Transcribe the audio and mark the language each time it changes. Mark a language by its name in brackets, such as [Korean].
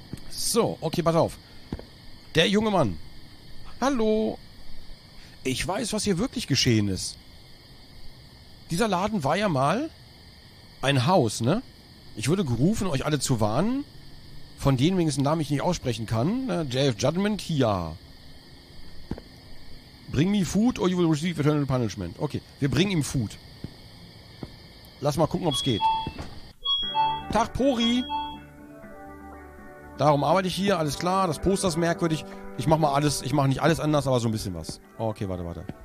[German] So, okay, pass auf. Der junge Mann. Hallo. Ich weiß, was hier wirklich geschehen ist. Dieser Laden war ja mal... ein Haus, ne? Ich wurde gerufen, euch alle zu warnen. Von denen, wenigstens Namen ich nicht aussprechen kann. JF Judgment, hier. [English] Bring me food or you will receive eternal punishment. [German] Okay, wir bringen ihm Food. Lass mal gucken, ob es geht. Tag, Pori. Darum arbeite ich hier, alles klar. Das Poster ist merkwürdig. Ich mach mal alles, ich mach nicht alles anders, aber so ein bisschen was. Okay, warte, warte.